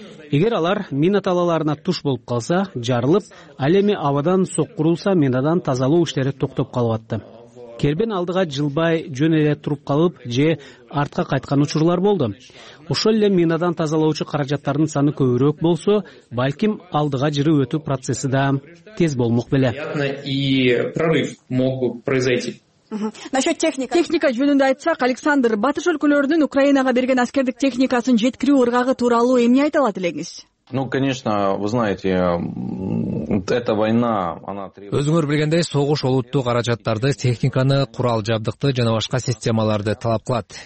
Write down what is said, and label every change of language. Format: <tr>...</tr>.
<ky>Эгер алар мина талааларына туш болуп калса, жарылып, ал эми абадан соккурулса, минадан тазалоо иштери токтоп калыпты. Кербен алдыга жылбай жөн эле туруп калып же артка кайткан учурлар болду. Ошол эле минадан тазалоочу каражаттардын саны көбүрөөк болсо, балким алдыга жырып өтүү процесси да тез болмок беле.</ky> <ru>И прорыв мог бы произойти. Насчет техники.</ru> <ky>Техника жөнүндө айтсак, Александр, батыш өлкөлөрүнүн Украинага берген аскердик техникасын жеткирүү ыргагы тууралуу эмне айта алат элеңиз?</ky> <ru>Ну, конечно, вы знаете, Эта война,</ru> <ky>Өзүңөр билгендей, согуш олуттуу каражаттарды, техниканы, курал жабдыкты жана башка системаларды талап кылат.</ky>